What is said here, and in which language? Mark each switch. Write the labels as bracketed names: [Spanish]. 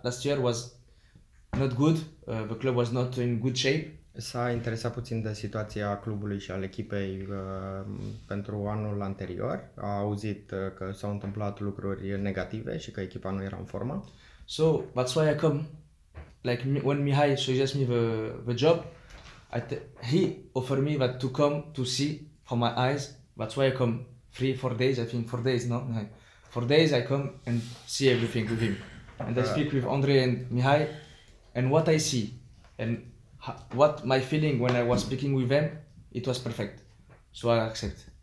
[English] Last year was not good. The club was not in good shape. [Romanian] S-a interesat puțin de situația clubului și al echipei pentru anul anterior. A auzit că s-au întâmplat lucruri negative și că echipa nu era în formă. [English] So, that's why I come. Like when Mihai suggest me the job, he offered me that to come to see for my eyes. That's why I come 3-4 days, I think 4 days, no? For days I come and see everything with him, and I speak with Andrei and Mihai, and what I see and what my feeling when I was speaking with them, it was perfect, so I accept.